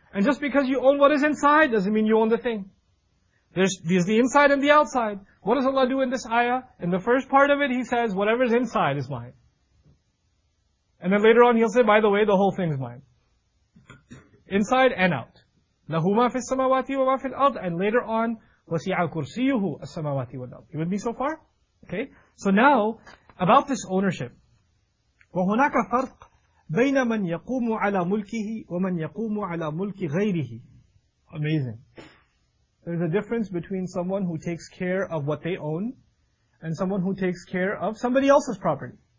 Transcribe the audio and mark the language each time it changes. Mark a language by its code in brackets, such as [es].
[en] And just because you own what is inside doesn't mean you own the thing. There's the inside and the outside. What does Allah do in this ayah? In the first part of it, He says, whatever's inside is mine. And then later on, He'll say, by the way, the whole thing is mine. Inside and out. [ar] لَهُ مَا فِي السَّمَوَاتِ وَمَا فِي الْأَرْضِ. And later on, وَسِعَ كُرْسِيُّهُ السَّمَوَاتِ وَالْأَرْضِ. [en] You with me so far? Okay. So now, about this ownership. [ar] وَهُنَاكَ فَرْقْ بَيْنَ مَنْ يَقُومُ عَلَى مُلْكِهِ وَمَنْ يَقُومُ عَلَى مُلْكِ غَيْرِهِ. Amazing. [en] There's a difference between someone who takes care of what they own and someone who takes care of somebody else's property.